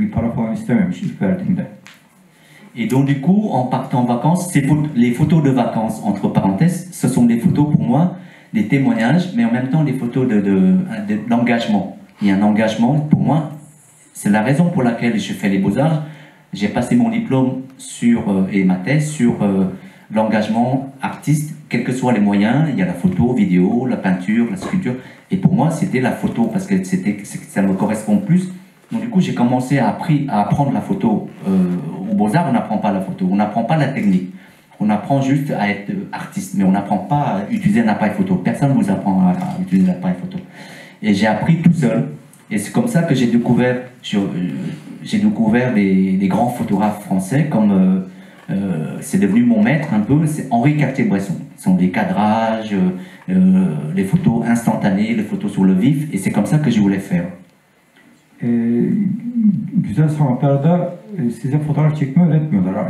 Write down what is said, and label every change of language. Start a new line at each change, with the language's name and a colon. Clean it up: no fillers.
Turkish: Bir para falan istememiş ilk verdiğinde.
French: Et donc du coup, en partant en vacances, les photos de vacances, entre parenthèses, ce sont des photos pour moi, des témoignages, mais en même temps des photos d'engagement. Il y a un engagement pour moi, c'est la raison pour laquelle je fais les Beaux-Arts. J'ai passé mon diplôme et ma thèse sur l'engagement artiste, quels que soient les moyens, il y a la photo, vidéo, la peinture, la sculpture. Et pour moi, c'était la photo parce que ça me correspond plus. Donc du coup, j'ai commencé à apprendre la photo. Au Beaux-Arts, on n'apprend pas la photo, on n'apprend pas la technique. On apprend juste à être artiste, mais on n'apprend pas à utiliser un appareil photo. Personne ne vous apprend à utiliser un appareil photo. Et j'ai appris tout seul. Et c'est comme ça que j'ai découvert des grands photographes français, comme c'est devenu mon maître un peu, c'est Henri Cartier-Bresson. Ce sont des cadrages, les photos instantanées, les photos sur le vif. Et c'est comme ça que je voulais faire.
Turkish: Güzel sanatlarda size fotoğraf çekme öğretmiyorlar.